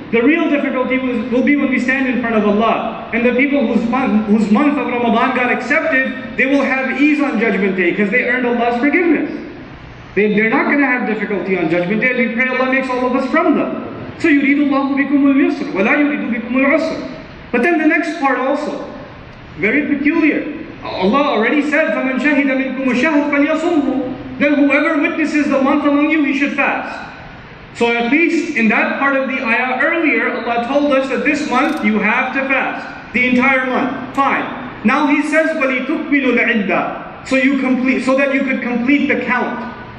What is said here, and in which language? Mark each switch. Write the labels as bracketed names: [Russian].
[English] The real difficulty will be when we stand in front of Allah. And the people whose month of Ramadan got accepted, they will have ease on Judgment Day because they earned Allah's forgiveness. They're not going to have difficulty on Judgment Day. We pray Allah makes all of us from them. [Arabic] So يُرِيدُ اللَّهُ بِكُمُ الْيُسْرُ وَلَا يُرِيدُ بِكُمُ الْعُسْرُ. [English] But then the next part also, very peculiar. Allah already said, [Arabic] فَمَنْ شَهِدَ مِنْكُمُ الشَّهْرُ فَلْيَصُمْهُ. [English] Then whoever witnesses the month among you, he should fast. So at least in that part of the ayah earlier, Allah told us that this month you have to fast. The entire month. Fine. Now He says, [Arabic] وَلِتُكْمِلُ الْعِدَّةِ. [English] So you complete, so that you could complete the count.